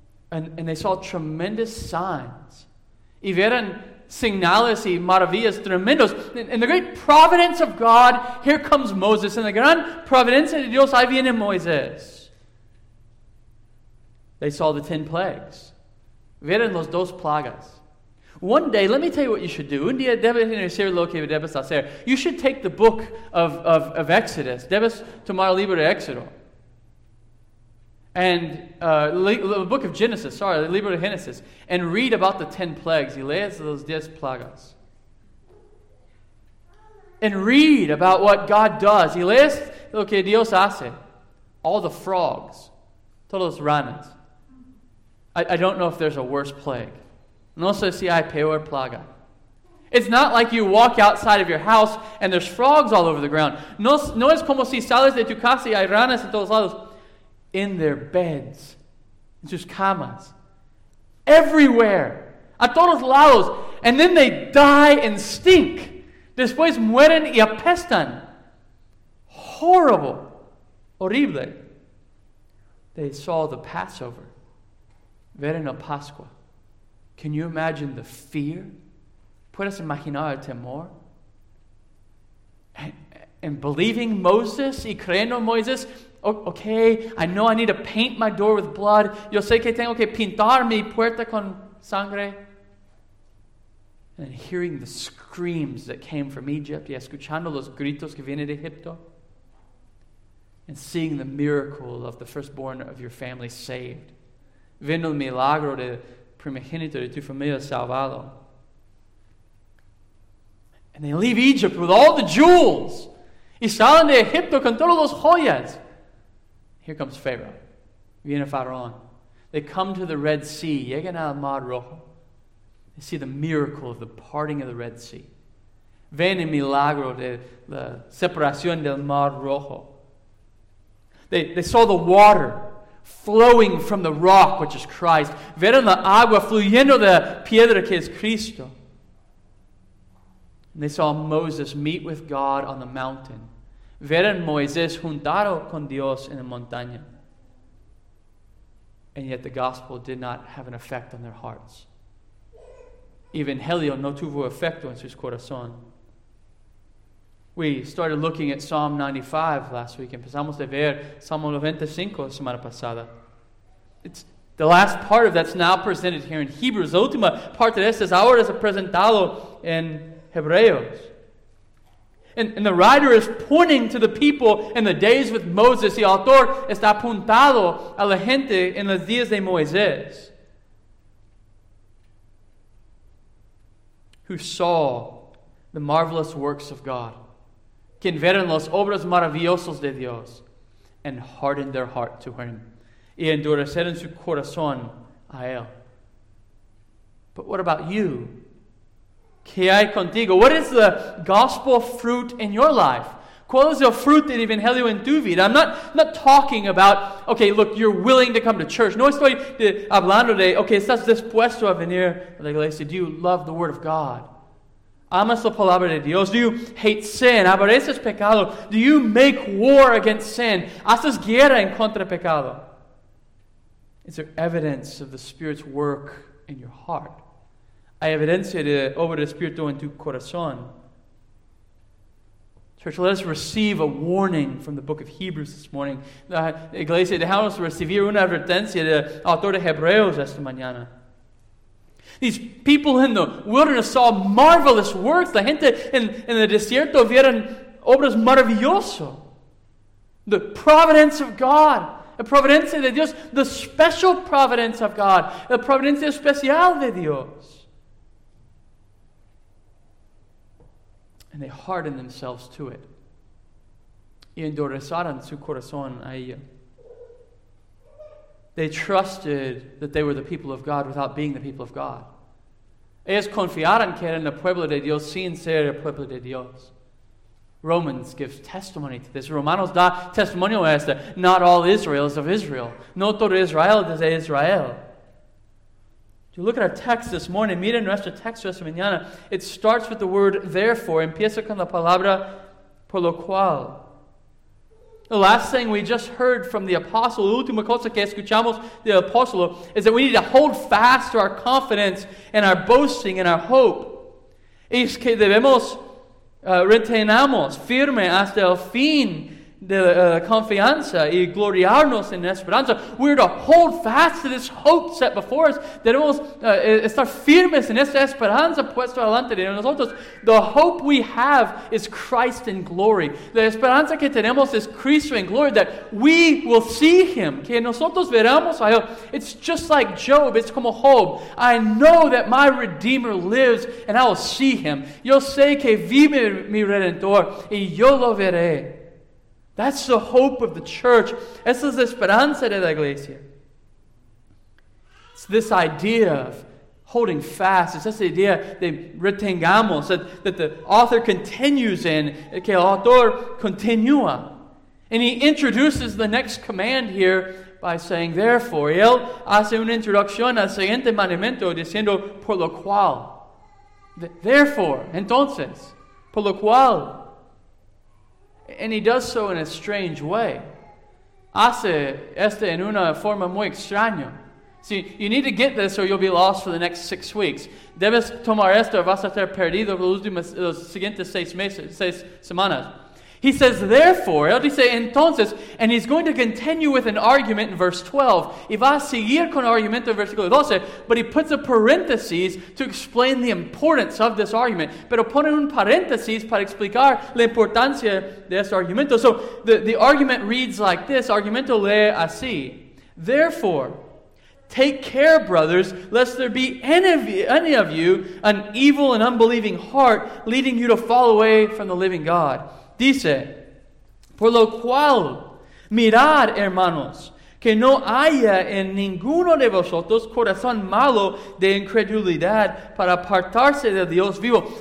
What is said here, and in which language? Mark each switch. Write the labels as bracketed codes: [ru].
[en] And they saw tremendous signs. [es] Y vieron signales y maravillas tremendos. [en] In the great providence of God, here comes Moses. In the [es] gran providencia de Dios, ahí viene Moisés. [en] They saw the 10 plagues. [es] Vieron los dos plagas. [en] One day, let me tell you what you should do. [es] Un día debes hacer lo que debes hacer. [en] You should take the book of Exodus. [es] Debes tomar el libro de Éxodo. [en] And the book of Genesis, sorry, the [es] libro de Genesis, [en] and read about the 10 plagues. [es] Y lees los 10 plagas. [en] And read about what God does. [es] Y lees lo que Dios hace. [en] All the frogs. [es] Todos los ranas. [en] I don't know if there's a worse plague. [es] No sé si hay peor plaga. [en] It's not like you walk outside of your house and there's frogs all over the ground. [es] No es como si sales de tu casa y hay ranas en todos lados. [en] In their beds, in [es] sus camas, [en] everywhere, [es] a todos lados. [en] And then they die and stink. [es] Después mueren y apestan. [en] Horrible. Horrible. They saw the Passover. [es] Ver en la Pascua. [en] Can you imagine the fear? [es] ¿Puedes imaginar el temor? [en] And believing Moses [es] y creyendo en Moisés, [en] okay, I know I need to paint my door with blood. [es] Yo sé que tengo que pintar mi puerta con sangre. [en] And hearing the screams that came from Egypt, [es] y escuchando los gritos que vienen de Egipto, [en] and seeing the miracle of the firstborn of your family saved, [es] viendo el milagro de primogénito de tu familia salvado. [en] And they leave Egypt with all the jewels. [es] Y salen de Egipto con todos los joyas. [en] Here comes Pharaoh. [es] Viene Faraón. [en] They come to the Red Sea. [es] Llegan al Mar Rojo. [en] They see the miracle of the parting of the Red Sea. [es] Ven el milagro de la separación del Mar Rojo. [en] They saw the water flowing from the rock, which is Christ. [es] Vieron la agua fluyendo de la piedra, que es Cristo. [en] And they saw Moses meet with God on the mountain. [es] Vieron Moisés juntado con Dios en la montaña. [en] And yet the gospel did not have an effect on their hearts. [es] Evangelio no tuvo efecto en sus corazones. [en] We started looking at Psalm 95 last week. [es] Empezamos a ver Salmo 95 la semana pasada. [en] It's the last part of that's now presented here in Hebrews. [es] La última parte de esta es ahora presentado en Hebreos. [en] And the writer is pointing to the people in the days with Moses. [es] Y el autor está apuntado a la gente en los días de Moisés. [en] Who saw the marvelous works of God. [es] Quien vieron las obras maravillosas de Dios. [en] And hardened their heart to him. [es] Y endurecieron su corazón a él. [en] But what about you? [es] ¿Qué hay contigo? [en] What is the gospel fruit in your life? [es] ¿Cuál es el fruto del evangelio en tu vida? [en] I'm not talking about, okay, look, you're willing to come to church. [es] No estoy hablando de, okay, estás dispuesto a venir a la iglesia. [en] Do you love the word of God? [es] ¿Amas la palabra de Dios? [en] Do you hate sin? [es] ¿Aborreces pecado? [en] Do you make war against sin? [es] ¿Haces guerra en contra pecado? [en] Is there evidence of the Spirit's work in your heart? [es] Hay evidencia de obra del Espíritu en tu corazón. [en] Church, let us receive a warning from the book of Hebrews this morning. [es] La iglesia, dejamos recibir una advertencia del autor de Hebreos esta mañana. [en] These people in the wilderness saw marvelous works. [es] La gente en el desierto vieron obras maravillosas. [en] The providence of God. [es] La providencia de Dios. [en] The special providence of God. [es] La providencia especial de Dios. [en] And they hardened themselves to it. [es] Y endurecieron su corazón a ello. [en] They trusted that they were the people of God without being the people of God. [es] Ellos confiaron que eran el pueblo de Dios sin ser el pueblo de Dios. [en] Romans gives testimony to this. [es] Romanos da testimonio a esto. [en] Not all Israel is of Israel. [es] No todo Israel es de Israel. [en] You look at our text this morning. [es] Mira nuestro texto esta mañana. [en] It starts with the word therefore. [es] Empieza con la palabra por lo cual. [en] The last thing we just heard from the apostle, [es] la última cosa que escuchamos del apóstolo, [en] is that we need to hold fast to our confidence and our boasting and our hope. [es] Es que debemos retenamos firme hasta el fin de confianza y gloriarnos en esperanza. [en] We're to hold fast to this hope set before us. [es] Debemos estar firmes en esta esperanza puesta delante de nosotros. [en] The hope we have is Christ in glory. [es] La esperanza que tenemos es Cristo en gloria, [en] that we will see Him. [es] Que nosotros veramos a Él. [en] It's just like Job. It's como Job. I know that my Redeemer lives and I will see Him. [es] Yo sé que vive mi Redentor y yo lo veré. [en] That's the hope of the church. [es] Esa es la esperanza de la iglesia. [en] It's this idea of holding fast. It's this idea [es] de retengamos, [en] that the author continues in, [es] que el autor continúa. [en] And he introduces the next command here by saying therefore. [es] Y él hace una introducción al siguiente mandamiento diciendo por lo cual. Therefore, entonces, por lo cual. [en] And he does so in a strange way. [es] Hace este en una forma muy extraña. [en] See, you need to get this or you'll be lost for the next 6 weeks. [es] Debes tomar esto o vas a estar perdido los siguientes seis semanas. [en] He says, therefore, [es] él dice, entonces, [en] and he's going to continue with an argument in verse 12. [es] Y va a seguir con argumento en versículo 12, [en] but he puts a parenthesis to explain the importance of this argument. [es] Pero pone un paréntesis para explicar la importancia de este argumento. [en] So the argument reads like this, [es] argumento lee así. [en] Therefore, take care, brothers, lest there be any of you an evil and unbelieving heart leading you to fall away from the living God. [es] Dice, por lo cual, mirad, hermanos, que no haya en ninguno de vosotros corazón malo de incredulidad para apartarse de Dios vivo.